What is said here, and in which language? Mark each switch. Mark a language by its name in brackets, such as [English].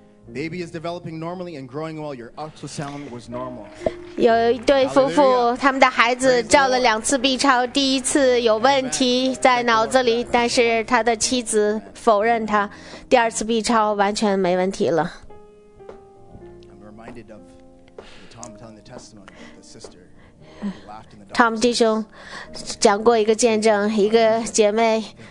[English] Baby is developing normally and growing well. Your ultrasound was normal. [Chinese] 有一对夫妇，他们的孩子照了两次 B 超，第一次有问题在脑子里，但是他的妻子否认他，第二次 B 超完全没问题了。 [English] I'm reminded of Tom telling the testimony of the sister. [Chinese] Tom 弟兄讲过一个见证，一个姐妹。